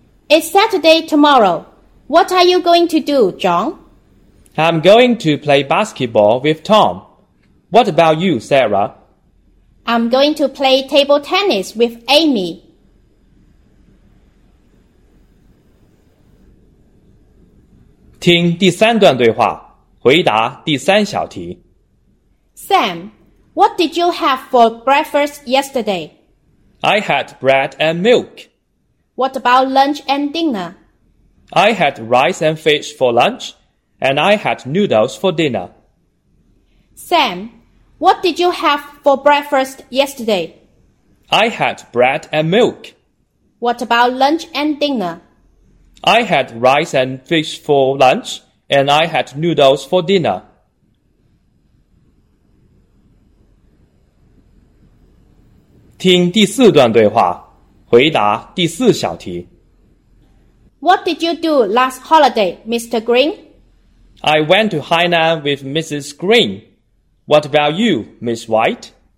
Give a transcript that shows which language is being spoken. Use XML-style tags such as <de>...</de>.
<en>It's Saturday tomorrow. What are you going to do, John? I'm going to play basketball with Tom. What about you, Sarah? I'm going to play table tennis with Amy.</en> <zh>听第三段对话，回答第三小题。</zh> <en>Sam,What did you have for breakfast yesterday? I had bread and milk. What about lunch and dinner? I had rice and fish for lunch, and I had noodles for dinner. Sam, what did you have for breakfast yesterday? I had bread and milk. What about lunch and dinner? I had rice and fish for lunch, and I had noodles for dinner.</en> <zh>听第四段对话，回答第四小题。</zh> <en>What did you do last holiday, Mr. Green? I went to Hainan with Mrs. Green. What about you, Miss White?</en>